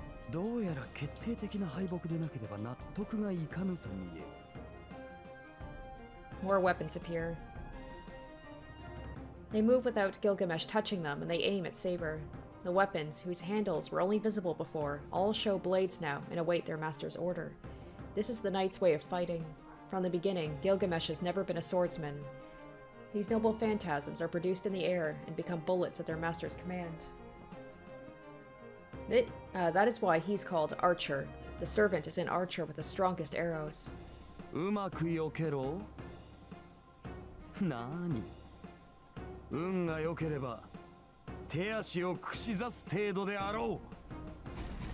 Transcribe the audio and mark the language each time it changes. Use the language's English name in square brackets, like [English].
[Japanese] どうやら決定的な敗北でなければ納得がいかぬと見える。 [English] More weapons appear. They move without Gilgamesh touching them, and they aim at Saber. The weapons, whose handles were only visible before, all show blades now and await their master's order. This is the knight's way of fighting. From the beginning, Gilgamesh has never been a swordsman. These noble phantasms are produced in the air and become bullets at their master's command. That is why he's called Archer. The servant is an archer with the strongest arrows. [Japanese] うまく避けろ?なに? 運が良ければ、手足を串刺す程度であろう。